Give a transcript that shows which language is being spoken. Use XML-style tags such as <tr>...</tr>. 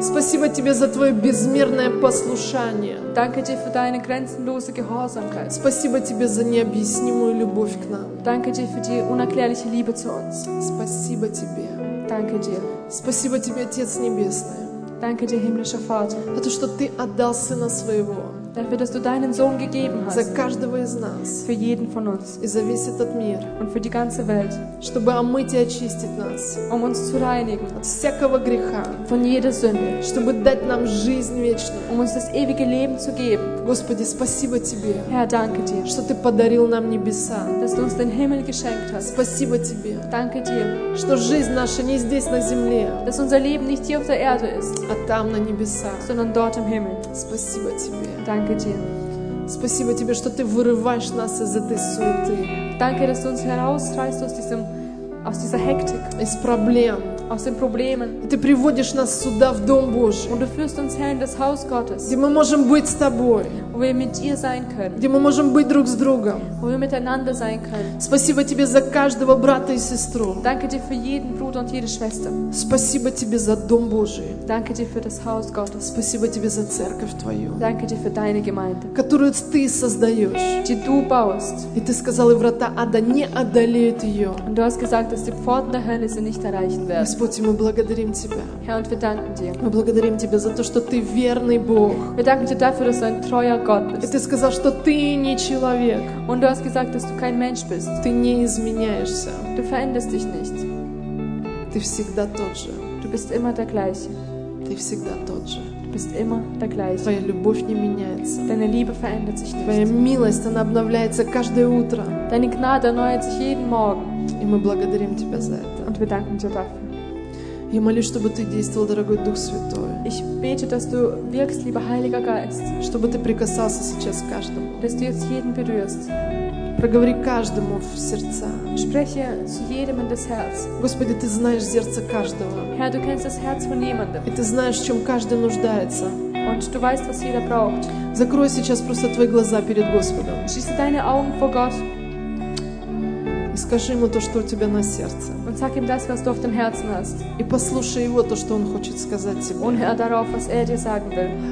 <ru>Спасибо тебе за твое безмерное послушание.</ru> <de>Danke dir für deine grenzenlose Gehorsamkeit.</de> <ru>Спасибо тебе за необъяснимую любовь к нам.</ru> <de>Danke dir für die unerklärliche Liebe zu uns.</de> <ru>Спасибо тебе.</ru> <de>Danke dir.</de> <ru>Спасибо тебе, Отец Небесный.</ru> <de>Danke dir, himmlischer Vater.</de> <ru>За то, что ты отдал сына своего.</ru> <de>Dafür, dass du deinen Sohn gegeben hast.</de> <ru>За каждого из нас.</ru> <de>Für jeden von uns.</de> <ru>И за весь этот мир.</ru> <de>Und für die ganze Welt.</de> <ru>Чтобы омыть и очистить нас.</ru> <de>Um uns zu reinigen.</de> <ru>От всякого греха.</ru> <de>Von jeder Sünde.</de> <ru>Чтобы дать нам жизнь вечную.</ru> <de>Um uns das ewige Leben zu geben.</de> <ru>Господи, спасибо тебе.</ru> <de>Herr, danke dir.</de> <ru>Что ты подарил нам небеса.</ru> <de>Dass du uns den Himmel geschenkt hast.</de> <ru>Спасибо тебе.</ru> <de>Danke dir.</de> <ru>Что жизнь наша не здесь на земле.</ru> <de>Dass unser Leben nicht hier auf der Erde ist.</de> <ru>А там на небесах.</ru> <de>Sondern dort im Himmel.</de> <ru>Спасибо тебе.</ru> <de>Danke dir.</de> <ru>Спасибо тебе, что ты вырываешь нас из этой суеты.</ru> <de>Danke, dass du uns herausreißt aus dieser Hektik.</de> <ru>Из проблем.</ru> <de>Aus den Problemen.</de> <ru>И ты приводишь нас сюда, в Дом Божий.</ru> <de>Und du führst uns her in das Haus Gottes.</de> <ru>Где мы можем быть с тобой.</ru> <de>Wo wir mit dir sein können.</de> <ru>Где мы можем быть друг с другом.</ru> <de>Wo wir miteinander sein können.</de> <ru>Спасибо тебе за каждого брата и сестру.</ru> <de>Danke dir für jeden Bruder und jede Schwester.</de> <ru>Спасибо тебе за Дом Божий.</ru> <de>Danke dir für das Haus Gottes.</de> <ru>Спасибо тебе за церковь твою.</ru> <de>Danke dir für deine Gemeinde.</de> <ru>Которую ты создаешь.</ru> <de>Die du baust.</de> <ru>И ты сказал, и врата ада не одолеют ее.</ru> <de>Und du hast gesagt, dass die Pforten der Hölle sie nicht erreichen werden.</de> <ru>Господи, мы благодарим Тебя.</ru> <de>Herr, und wir danken dir.</de> <ru>Мы благодарим Тебя за то, что Ты верный Бог.</ru> <de>Wir danken dir dafür, dass du ein treuer Gott bist.</de> <ru>И Ты сказал, что Ты не человек.</ru> <de>Und du hast gesagt, dass du kein Mensch bist.</de> <ru>Ты не изменяешься.</ru> <de>Du veränderst dich nicht.</de> <ru>Ты всегда тот же.</ru> <de>Du bist immer der Gleiche.</de> <ru>Ты всегда тот же.</ru> <de>Du bist immer der Gleiche.</de> <ru>Твоя любовь не меняется.</ru> <de>Deine Liebe verändert sich nicht.</de> <ru>Твоя милость, она обновляется каждое утро.</ru> <de>Deine Gnade erneuert sich jeden Morgen.</de> <ru>И мы благодарим Тебя за это.</ru> <de>Und wir danken dir dafür.</de> <ru>Я молюсь, чтобы ты действовал, дорогой Дух Святой.</ru> <de>Ich bete, dass du wirkst, lieber Heiliger Geist.</de> <ru>Чтобы ты прикасался сейчас к каждому.</ru> <de>Dass du jetzt jeden berührst.</de> <ru>Проговори каждому в сердца.</ru> <de>Spreche zu jedem in das Herz.</de> <ru>Господи, ты знаешь сердце каждого.</ru> <de>Herr, du kennst das Herz von jemandem.</de> <ru>И ты знаешь, в чем каждый нуждается.</ru> <de>Und du weißt, was jeder braucht.</de> <ru>Закрой сейчас просто твои глаза перед Господом.</ru> <de>Schließe deine Augen vor Gott.</de> <ru>И скажи ему то, что у тебя на сердце.</ru> <de>Und sag ihm das, was du auf dem Herzen hast.</de> <ru>И послушай его то, что он хочет сказать тебе.</ru> <de>Und hör darauf, was dir sagen will.</de>